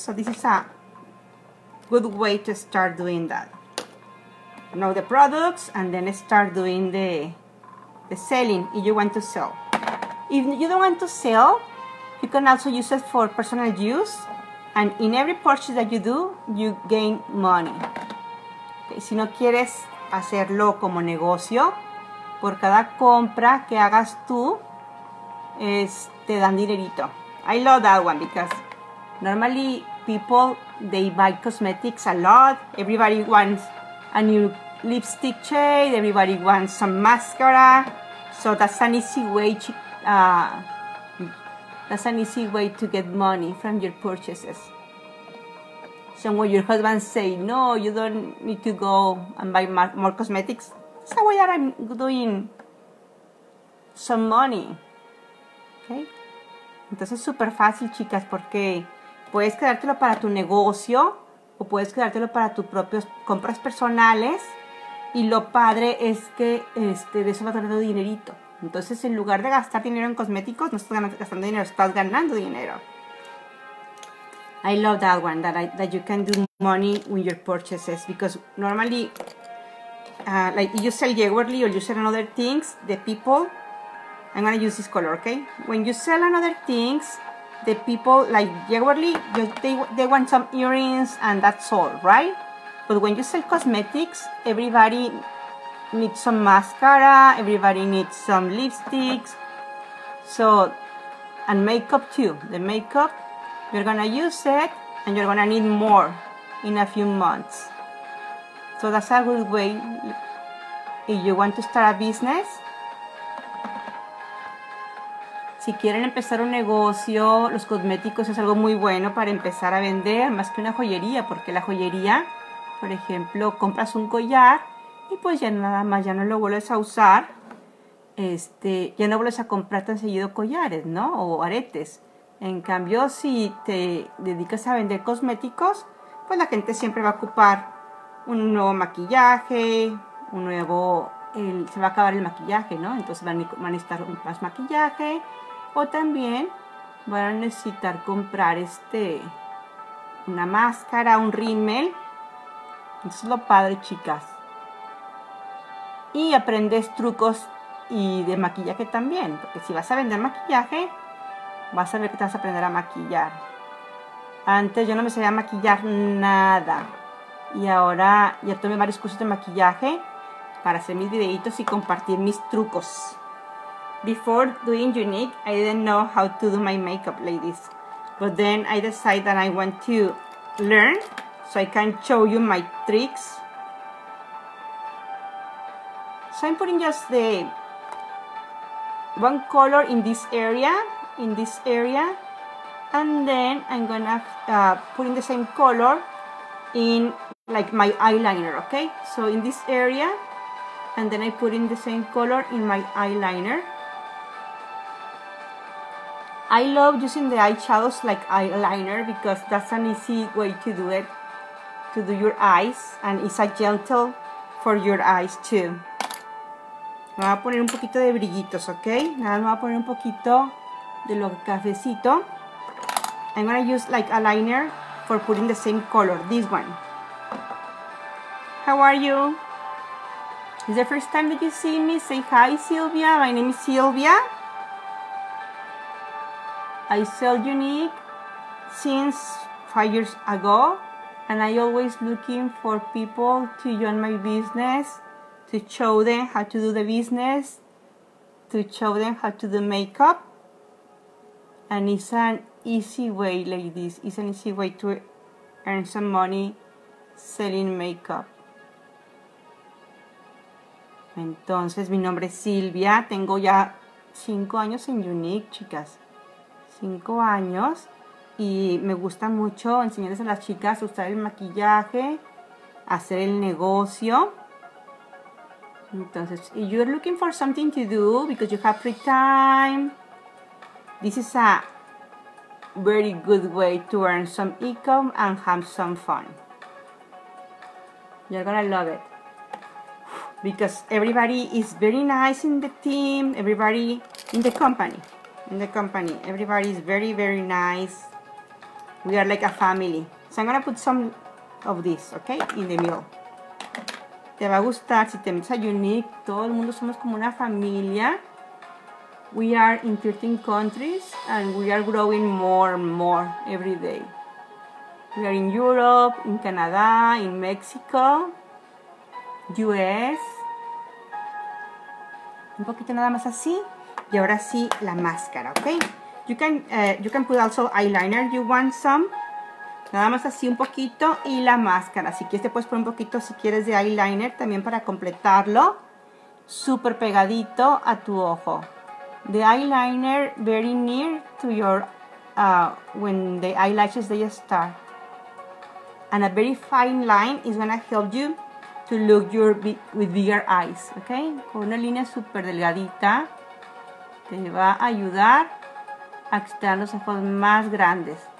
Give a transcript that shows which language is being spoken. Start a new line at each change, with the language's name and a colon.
English: So this is a good way to start doing that. Know the products and then start doing the selling if you want to sell. If you don't want to sell, you can also use it for personal use. And in every purchase that you do, you gain money.
Spanish: Okay, si no quieres hacerlo como negocio, por cada compra que hagas tú, te dan dinerito.
English: I love that one because normally people, they buy cosmetics a lot. Everybody wants a new lipstick shade. Everybody wants some mascara. So that's an easy way to, that's an easy way to get money from your purchases. So when your husband say, no, you don't need to go and buy more cosmetics, it's a way that I'm doing some money. Okay?
Spanish: Entonces, super fácil, chicas, porque puedes quedártelo para tu negocio o puedes quedártelo para tus propias compras personales. Y lo padre es que de eso va a tener dinerito. Entonces, en lugar de gastar dinero en cosméticos, no estás gastando dinero, estás ganando dinero. I love that one, that you can do money with your purchases, because normally, like you sell jewelry or you sell another things, the people, I'm gonna use this color, okay? When you sell another things, the people like jewelry, they want some earrings and that's all, right? But when you sell cosmetics, everybody needs some mascara, everybody needs some lipsticks, so, and makeup too. The makeup, you're gonna use it and you're gonna need more in a few months. So that's a good way if you want to start a business. Si quieren empezar un negocio, los cosméticos es algo muy bueno para empezar a vender, más que una joyería, porque la joyería, por ejemplo, compras un collar y pues ya nada más, ya no lo vuelves a usar, ya no vuelves a comprar tan seguido collares, ¿no? O aretes. En cambio, si te dedicas a vender cosméticos, pues la gente siempre va a ocupar un nuevo maquillaje, un nuevo... se va a acabar el maquillaje, ¿no? Entonces van a necesitar más maquillaje. O también van a necesitar comprar una máscara, un rímel. Eso es lo padre, chicas. Y aprendes trucos y de maquillaje también. Porque si vas a vender maquillaje, vas a ver que te vas a aprender a maquillar. Antes yo no me sabía maquillar nada. Y ahora ya tomé varios cursos de maquillaje para hacer mis videitos y compartir mis trucos.
English: Before doing Unique, I didn't know how to do my makeup, ladies. But then I decided that I want to learn so I can show you my tricks. So I'm putting just the one color in this area, and then I'm gonna put in the same color in like my eyeliner, okay? So in this area, and then I put in the same color in my eyeliner. I love using the eyeshadows like eyeliner because that's an easy way to do it, to do your eyes, and it's a gentle for your eyes too.
Spanish: Me voy a poner un poquito de brillitos, ok? Nada, me voy a poner un poquito de lo cafecito.
English: I'm gonna use like a liner for putting the same color, this one. How are you? Is the first time that you see me? Say hi, Silvia. My name is Silvia. I sell Unique since 5 years ago, and I always looking for people to join my business, to show them how to do the business, to show them how to do makeup. And it's an easy way, ladies. It's an easy way to earn some money selling makeup.
Spanish: Entonces, mi nombre es Silvia. Tengo ya 5 años en Unique, chicas. 5 años. Y me gusta mucho enseñarles a las chicas a usar el maquillaje, hacer el negocio.
English: Entonces, if you're looking for something to do because you have free time, this is a very good way to earn some income and have some fun. You're gonna love it. Because everybody is very nice in the team, everybody in the company. Everybody is very, very nice. We are like a family. So I'm gonna put some of this, okay, in the middle.
Spanish: Te va a gustar si te metes a Unique. Todo el mundo somos como una familia.
English: We are in 13 countries and we are growing more and more every day. We are in Europe, in Canada, in Mexico, US.
Spanish: Un poquito nada más así. Y ahora sí, la máscara, okay?
English: You can put also eyeliner, you want some.
Spanish: Nada más así un poquito y la máscara. Si quieres te puedes poner un poquito, si quieres, de eyeliner también para completarlo. Súper pegadito a tu ojo.
English: The eyeliner very near to your, when the eyelashes they start. And a very fine line is going to help you to look your with bigger eyes, okay?
Spanish: Con una línea súper delgadita te va a ayudar a quitar los ojos más grandes.